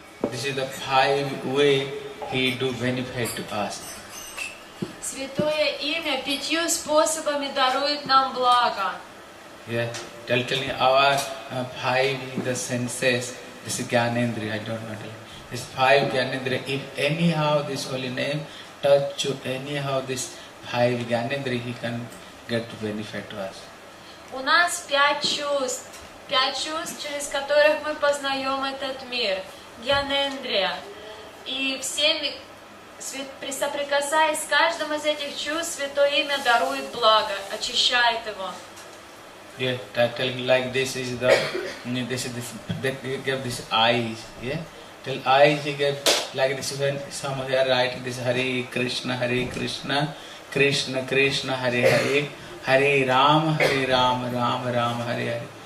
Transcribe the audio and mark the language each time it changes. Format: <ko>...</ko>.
<en>This is the five way he do benefit to us.</en> <ru>Святое имя пятью способами дарует нам благо.</ru> <en>Yeah, totally our five the senses. This is Gyanendriya. I don't know. This five Gyanendriya. If anyhow this holy name touch to anyhow this five Gyanendriya, he can get benefit to us.</en> <ru>У нас пять чувств. Пять чувств, через которых мы познаем этот мир, Гьянендрия. И всеми, соприкасаясь с каждым из этих чувств, Святое имя дарует благо, очищает его.</ru> <en>Yeah, tell me like this is the, this is this, they give this eyes, yeah? Till eyes you get, like this when some of you are writing this Hare Krishna, Hare Krishna, Krishna Krishna, Hare Hare, Hare Rama, Hare Rama, Rama Rama, Hare Hare.</en>